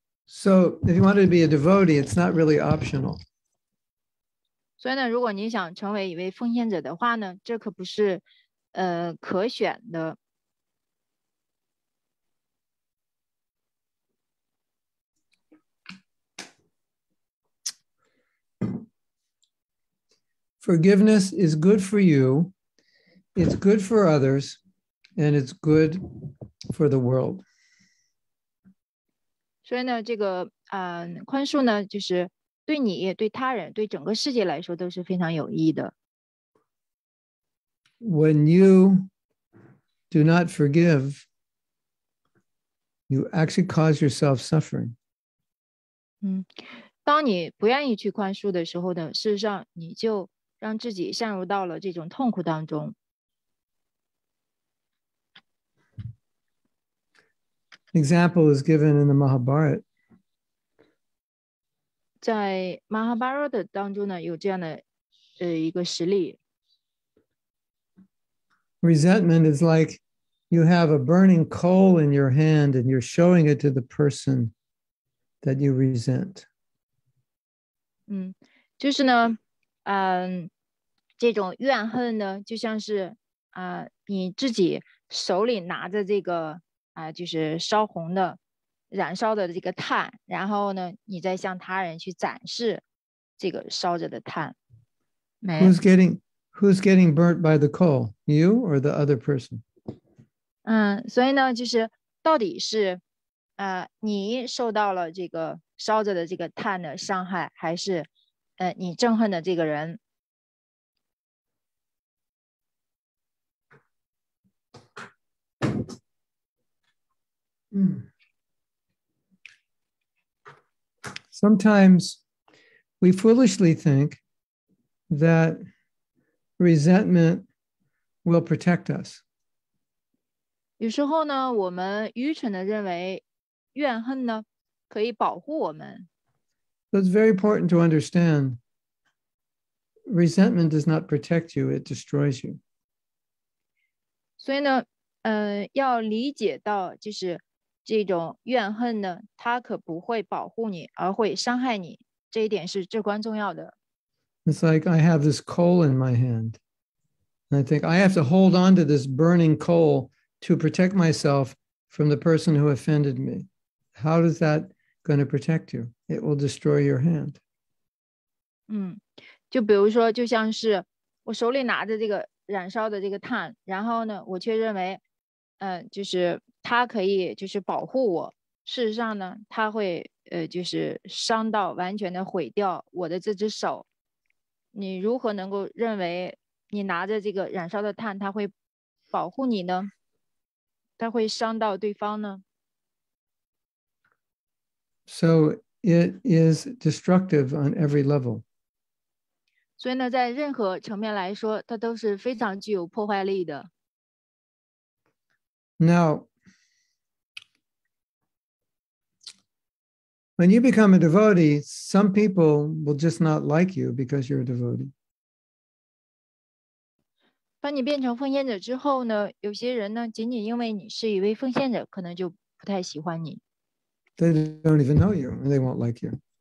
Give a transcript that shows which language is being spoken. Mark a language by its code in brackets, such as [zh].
[en] So, if you want to be a devotee, it's not really optional. [zh] 所以呢，如果你想成为一位奉献者的话呢，这可不是，可选的。 [en] Forgiveness is good for you, it's good for others, and it's good for the world. [zh] 所以呢，这个宽恕呢，就是对你、对他人、对整个世界来说都是非常有益的。 [en] When you do not forgive, you actually cause yourself suffering. [zh] 当你不愿意去宽恕的时候呢，事实上你就让自己陷入到了这种痛苦当中。 [en] Example is given in the Mahabharata. [zh] 在 Mahabharata 当中呢，有这样的一个实例。 [en] Resentment is like you have a burning coal in your hand and you're showing it to the person that you resent. [zh] 就是呢，这种怨恨呢，就像是你自己手里拿着这个就是烧红的、燃烧的这个炭，然后呢，你再向他人去展示这个烧着的炭。 [en] Who's getting burnt by the coal? You or the other person? [zh] 所以呢，就是到底是你受到了这个烧着的这个炭的伤害，还是你憎恨的这个人？ [en] Sometimes we foolishly think that resentment will protect us. [zh] 有时候呢，我们愚蠢的认为怨恨呢可以保护我们。 [en] But it's very important to understand resentment does not protect you, it destroys you. [zh] 所以呢，要理解到就是这种怨恨呢，它可不会保护你，而会伤害你。这一点是至关重要的。 [en] It's like I have this coal in my hand. And I think I have to hold on to this burning coal to protect myself from the person who offended me. How is that going to protect you? It will destroy your hand. [zh] 就比如说，就像是我手里拿着这个燃烧的这个炭，然后呢，我却认为，就是它可以就是保护我，事实上呢，它会就是伤到完全的毁掉我的这只手。你如何能够认为你拿着这个燃烧的炭, 它会保护你呢? 它会伤到对方呢? [en] So it is destructive on every level. [zh] 所以呢, 在任何层面来说, 它都是非常具有破坏力的。 [en] Now, when you become a devotee, some people will just not like you because you're a devotee. [zh] 当你变成奉献者之后呢, 有些人呢, 仅仅因为你是一位奉献者, 可能就不太喜欢你。 [en] They don't even know you, and they won't like you.